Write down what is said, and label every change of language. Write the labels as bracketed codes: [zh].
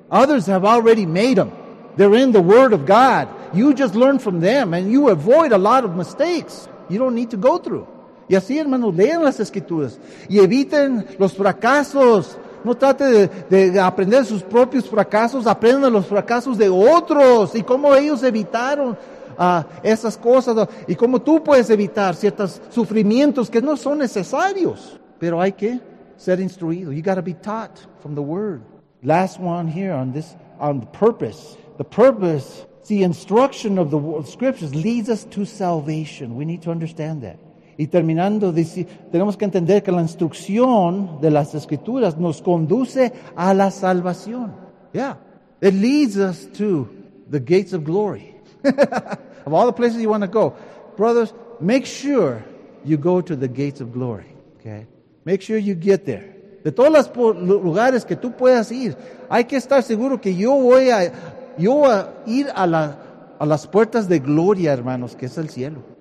[en] Others have already made them. They're in the Word of God. You just learn from them and you avoid a lot of mistakes you don't need to go through. [es] Y así, hermanos, lean las escrituras y eviten los fracasos. No trate de aprender sus propios fracasos, aprendan los fracasos de otros y cómo ellos evitaron esas cosas y cómo tú puedes evitar ciertos sufrimientos que no son necesarios. Pero hay que ser instruido. [en] You got to be taught from the Word. Last one here on purpose. The purpose, the instruction of the scriptures leads us to salvation. We need to understand that. [es] Y terminando, dice, tenemos que entender que la instrucción de las escrituras nos conduce a la salvación. [en] Yeah. It leads us to the gates of glory. Of all the places you want to go. Brothers, make sure you go to the gates of glory. Okay? Make sure you get there. [es] De todos los lugares que tú puedas ir, hay que estar seguro que yo voy a ir a las puertas de gloria, hermanos, que es el cielo.